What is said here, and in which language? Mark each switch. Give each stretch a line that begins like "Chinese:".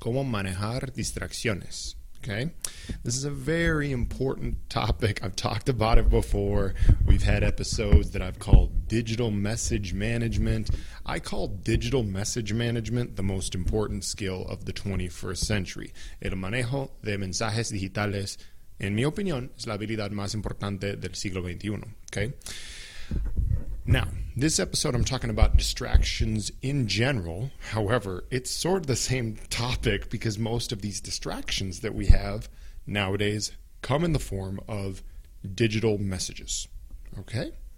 Spanish: ¿Cómo manejar distracciones?
English: Okay, this is a very important topic. I've talked about it before. We've had episodes that I've called digital message management. I call digital message management the most important skill of the 21st century.
Spanish: El manejo de mensajes digitales, en mi opinión, es la habilidad más importante del siglo XXI. Okay.
English: Now, this episode, I'm talking about distractions in general. However, it's sort of the same topic because most of these distractions that we have nowadays come in the form of digital messages, okay?